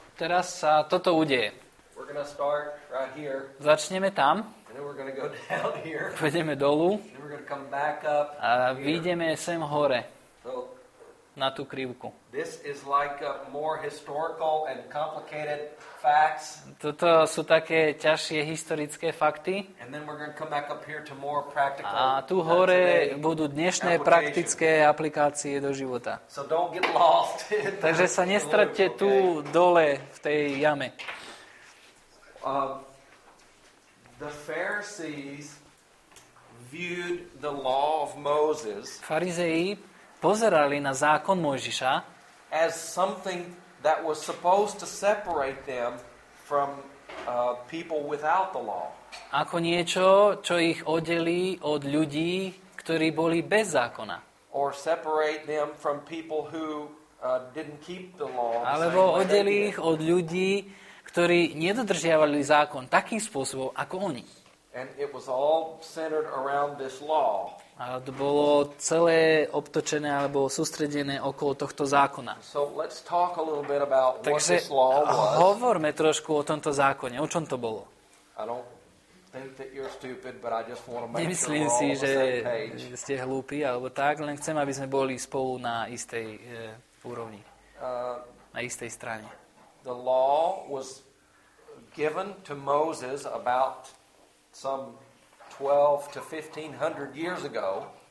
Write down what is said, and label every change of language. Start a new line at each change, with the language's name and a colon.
Slovak: Teraz sa toto udeje.
English: We're gonna start right here.
Slovak: Začneme tam.
English: And then we're gonna go down here.
Slovak: Pôjdeme dolu.
English: And then we're gonna come back up
Slovak: a vyjdeme sem hore.
English: So,
Slovak: na tú krivku.
English: This is like a more historical and complicated facts.
Slovak: Toto sú také ťažšie historické fakty.
English: And then we're gonna come back up here to more practical.
Slovak: A tu hore budú dnešné praktické aplikácie do života.
English: So don't get lost.
Slovak: Takže sa nestratte tu dole v tej jame.
English: The Pharisees viewed the law of Moses.
Slovak: Farizei pozerali na zákon Mojžiša
English: as something that was supposed to separate them from people without the law.
Slovak: Ako niečo, čo ich oddelí od ľudí, ktorí boli bez zákona.
English: Or separate them from people who didn't keep the law.
Slovak: Alebo oddelí ich od ľudí, ktorí nedodržiavali zákon takým spôsobom ako oni.
English: And it was all centered around this law.
Slovak: A to bolo celé obtočené alebo sústredené okolo tohto zákona.
English: So let's talk a little bit about what this law was.
Slovak: Takže hovorme trošku o tomto zákone. O čom to bolo?
English: I don't think that you're stupid, but I just want to make sure.
Slovak: Nemyslím si, že ste hlúpi alebo tak, len chcem, aby sme boli spolu na istej úrovni. Na istej strane.
English: The law was given to Moses about some 12 to 1500 years ago.